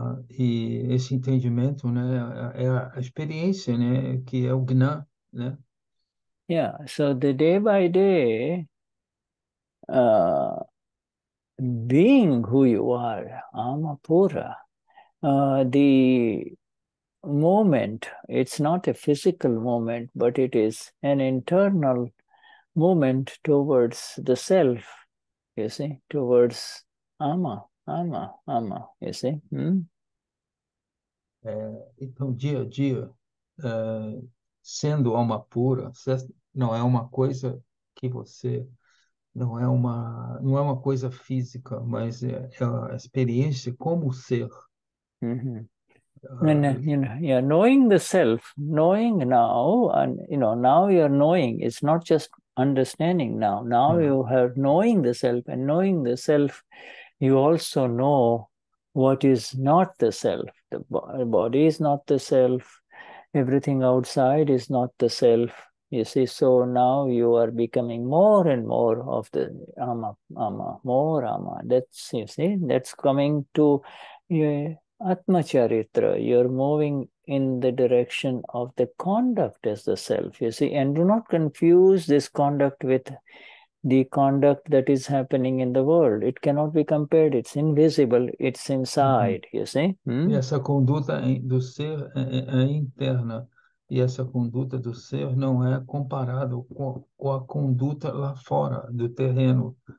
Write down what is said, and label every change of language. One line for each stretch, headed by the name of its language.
Portuguese: E esse entendimento, né, é a experiência, né, que é o Gnan, né?
English: Yeah, so the day by day, being who you are, Amapura, the moment, it's not a physical moment, but it is an internal moment towards the self, you see, towards Ama, Ama, Ama, you see.
Portuguese: Então, dia a dia, sendo alma pura, não é uma coisa que você, não é uma coisa física, mas é a experiência como ser.
English: And you're knowing the self, knowing now, and now you're knowing. It's not just understanding now. Now you have knowing the self, and knowing the self, you also know what is not the self. The body is not the self. Everything outside is not the self. You see, so now you are becoming more and more of the ama, ama, more ama. That's, you see, that's coming to Atma Charitra, you're moving in the direction of the conduct as the self, you see, and do not confuse this conduct with the conduct that is happening in the world. It cannot be compared, it's invisible, it's inside, you see.
Portuguese: E essa conduta do ser é interna, e essa conduta do ser não é comparado com a conduta lá fora do terreno.